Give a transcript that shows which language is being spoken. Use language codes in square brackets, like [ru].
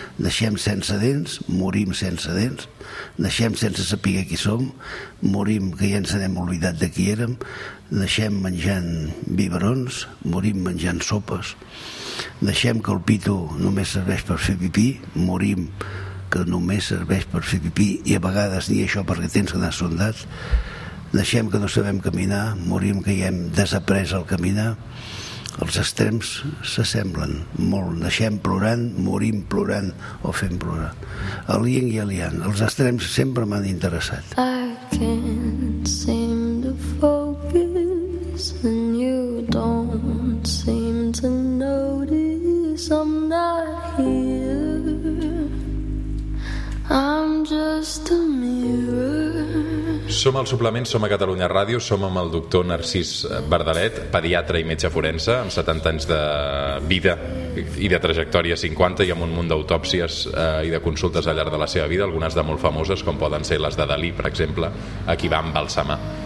[ca] Naixem sense dents, morim sense dents, naixem sense saber qui som, morim que ja ens n'hem oblidat de qui érem, naixem menjant biberons, morim menjant sopes, naixem que el pito només serveix per fer pipí, morim que només serveix per fer pipí i a vegades ni això perquè tens que anar sondat, naixem que no sabem caminar, morim que ja hem desaprès el caminar. Els extrems s'assemblen molt. Naixem plorant, morim plorant o fent plorar. El yin i el yang, els extrems sempre m'han interessat. [en] I can't seem to focus and you don't seem to notice I'm not here. I'm just a mirror. [ca] Som al Suplement, som a Catalunya Ràdio, som amb el doctor Narcís Verdalet, pediatre i metge forense, amb 70 anys de vida i de trajectòria 50 i amb un munt d'autòpsies i de consultes al llarg de la seva vida, algunes de molt famoses, com poden ser les de Dalí, per exemple, a qui va embalsamar.